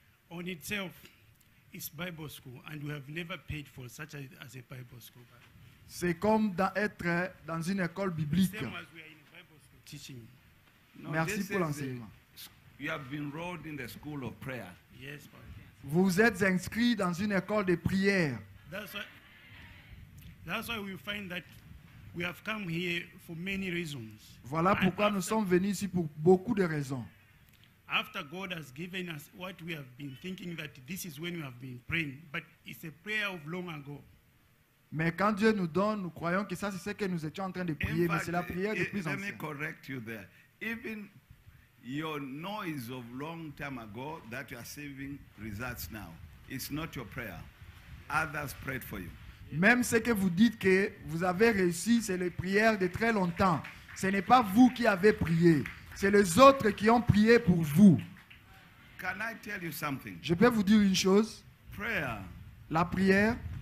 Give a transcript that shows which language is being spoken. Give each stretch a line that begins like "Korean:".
English: On itself, it's Bible school, and we have never paid for such as a Bible school.
French: C'est comme d'être dans une école biblique.
English: Same as we are in Bible school teaching.
French: No, merci pour l'enseignement.
English: You have been enrolled in the school of prayer. Yes, Papa.
French: Vous êtes inscrit dans une école de prière.
English: That's why we find that we have come here for many reasons.
French: Voilà pourquoi nous sommes venus ici pour beaucoup de raisons.
English: After God has given us what we have been thinking that this is when we have been praying, but it's a prayer of long ago.
French: Mais quand Dieu nous donne, nous croyons que ça c'est ce que nous étions en train de prier,
English: fact,
French: mais c'est la prière de plus
English: ancienne. Let me correct you there. Even your noise of long time ago that you are saving results now, it's not your prayer. Others prayed for you.
French: Même ce que vous dites que vous avez réussi, c'est les prières de très longtemps. Ce n'est pas vous qui avez prié. C'est les autres qui ont prié pour vous.
English: Can I tell you something?
French: Je peux vous dire une chose.
English: Prayer,
French: la prière,